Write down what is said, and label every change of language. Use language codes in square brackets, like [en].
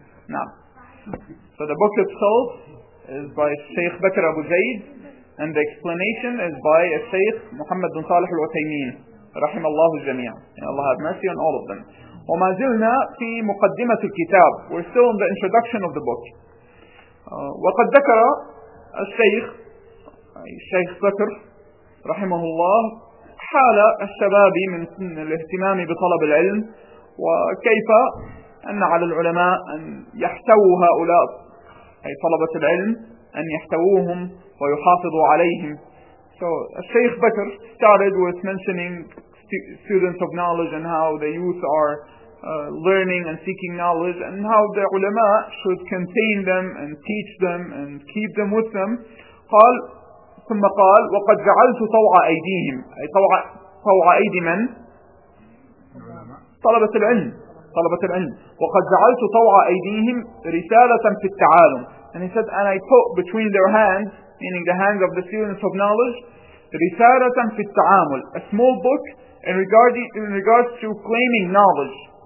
[en] نعم، so the book itself is by Sheikh Bakr Abu Zayd and the explanation is by Sheikh Muhammad bin Salih Al-Uthaymeen [ar] رحم الله الجميع. [en] Allah have mercy on all of them. [ar] وما زلنا في مقدمة الكتاب. [en] We're still in the introduction of the book. [ar] وقد ذكر الشيخ الشيخ بكر رحمه الله حال الشباب من الاهتمام بطلب العلم وكيف أن على العلماء أن يحتووا هؤلاء أي طلبة العلم أن يحتووهم ويحافظوا عليهم. [en] So الشيخ بكر started with mentioning students of knowledge and how the youth are learning and seeking knowledge and how the ulama should contain them and teach them and keep them with them. [ar] قال ثم قال وقد جعلت طوع أيديهم أي طوع أيدي من؟ طلبة العلم. طلبة العلم. وقد جعلت طوع أيديهم رسالة في التعالم. [en] And he said, and I put between their hands, meaning the hands of the students of knowledge, [ar] رسالة في التعامل, [en] a small book in regards to claiming knowledge.